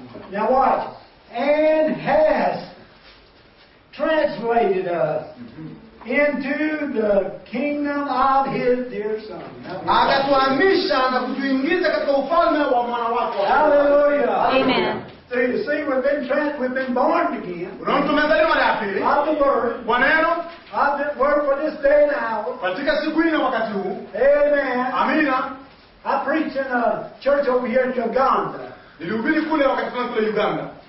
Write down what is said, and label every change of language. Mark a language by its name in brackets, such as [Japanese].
[English] Now watch. And has translated us into the kingdom of his dear son. [Swahili] Akatuhamisha na kutuingiza katika ufalme wa mwana wake. Hallelujah. Amen. [English] So you see, we've been born again. Of the word. Of the word for this day and hour. [Swahili] Katika siku hii na wakati huu. Amen. Amina. [English] I preach in a church over here in Uganda. [Swahili] Nilihubiri kule wakati fulani kule Uganda.